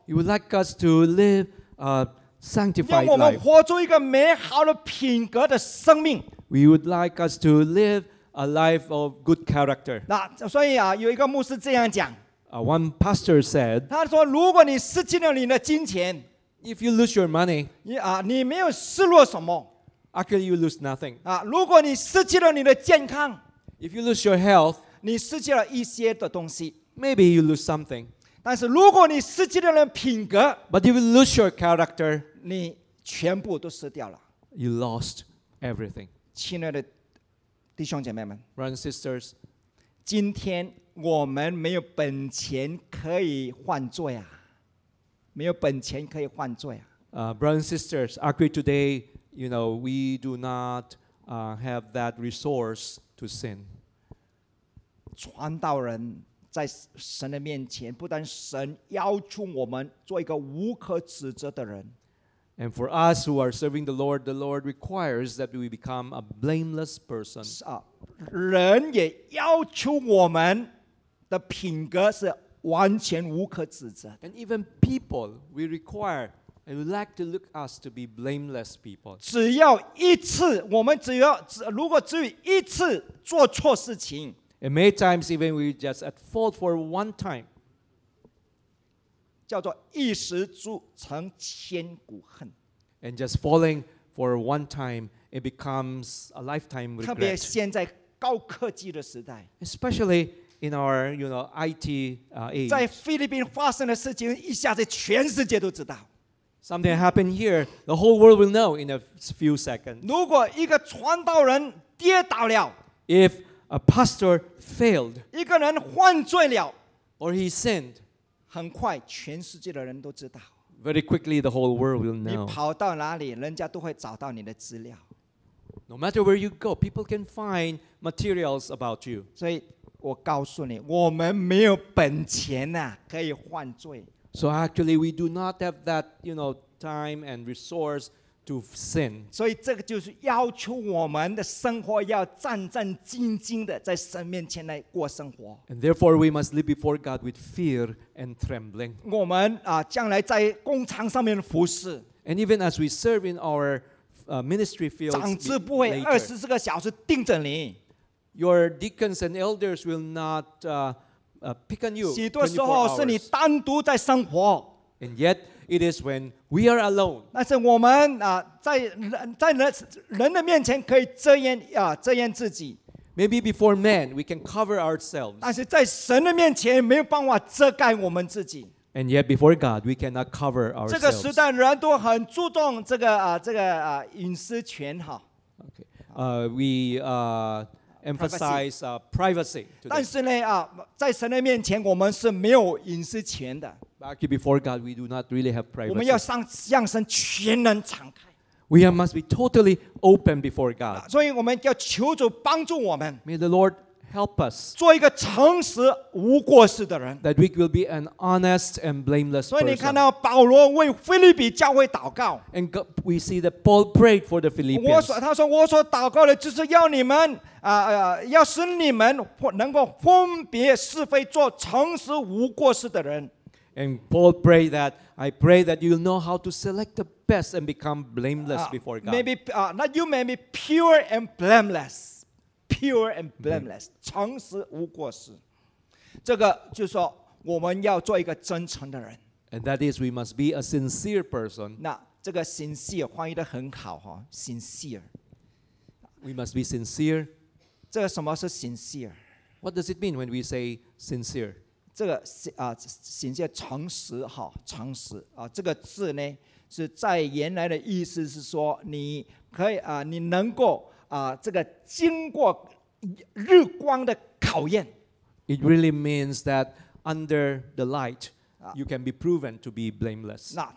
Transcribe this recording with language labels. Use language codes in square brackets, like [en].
[en] He would like us to live a sanctified life. [zh] 让我们活出一个美好的品格的生命。 [en] We would like us to live a life of good character. [zh] 所以有一个牧师这样讲。 [en] One pastor said. [zh] 他说，如果你失去了你的金钱。 [en] If you lose your money, [zh] 你没有失落什么 [en] Actually, you lose nothing. [zh] 如果你失去了你的健康 [en] If you lose your health, [zh] 你失去了一些的东西 [en] Maybe you lose something. [zh] 但是如果你失去了品格 [en] But if you lose your character, [zh] 你全部都失掉了 [en] You lost everything. [zh] 亲爱的弟兄姐妹们 [en] Brothers and sisters, [zh] 今天我们没有本钱可以换作呀没有本钱可以换罪啊 [en] brothers and sisters, actually today, you know, we do not have that resource to sin. [zh] 传道人在神的面前，不但神要求我们做一个无可指责的人。 [en] And for us who are serving the Lord requires that we become a blameless person. [zh] 人也要求我们的品格是。完全无可指责。 [en] And even people, we require and would like to look us to be blameless people. [zh] 只要一次，我们只要如果只有一次做错事情。 [en] And many times even we just at fault for one time. [zh] 叫做一时铸成千古恨。 [en] and just falling for one time, it becomes a lifetime regret. [zh] 特别现在高科技的时代 [en] especially in our, you know, IT age. [zh] 在菲律宾发生的事情，一下子全世界都知道。 [en] Something happened here, the whole world will know in a few seconds. [zh] 如果一个传道人跌倒了 [en] if a pastor failed, [zh] 一个人犯罪了 [en] or he sinned, [zh] 很快全世界的人都知道。 [en] Very quickly, the whole world will know. [zh] 你跑到哪里，人家都会找到你的资料。 [en] No matter where you go, people can find materials about you. [zh] 所以我告诉你，我们没有本钱啊，可以犯罪。 [en] So actually, we do not have that, you know, time and resource to sin. [zh] 所以这个就是要求我们的生活要战战兢兢的在神面前来过生活。 [en] And therefore, we must live before God with fear and trembling. [zh] 我们啊，将来在工厂上面服侍。 [en] And even as we serve in our ministry fields, [zh] 长子不会二十四个小时盯着你。 [en] Your deacons and elders will not. Pick on you. [zh] 许多时候是你单独在生活。 [en] And yet, it is when we are alone. [zh] 但是我们啊，在人的面前可以遮掩自己。 [en] Maybe before men, we can cover ourselves. [zh] 但是在神的面前没有办法遮盖我们自己。 [en] And yet, before God, we cannot cover ourselves. [zh] 这个时代人都很注重这个隐私权哈。 [en] Okay. Emphasize privacy. [zh] 但是呢，在神的面前，我们是没有隐私权的。 [en] Actually, before God, we do not really have privacy. [zh] 我们要向神全能敞开。 [en] We must be totally open before God. [zh] 所以我们要求主帮助我们。 [en] May the Lord help us. [zh] 做一个诚实无过失的人。 [en] That we will be an honest and blameless person. [zh] 所以你看到保罗为腓立比教会祷告。 [en] And we see that Paul prayed for the Philippians. [zh] 他说我所祷告的就是要你们。要使你们能够分别是非，做诚实无过失的人。 [en] And Paul prayed that I pray that you'll know how to select the best and become blameless before God. Maybe pure and blameless, pure and blameless, [zh] 诚实无过失。这个就是说我们要做一个真诚的人。 [en] And that is we must be a sincere person. [zh] 那这个 sincere 翻译的很好哈 ，sincere. [en] We must be sincere. [zh] 这个什么是 sincere? [en] What does it mean when we say sincere? [zh] 这个sincere 诚实哈，诚实啊，这个字呢是在原来的意思是说你可以啊，你能够啊，这个经过日光的考验。 [en] It really means that under the light, you can be proven to be blameless.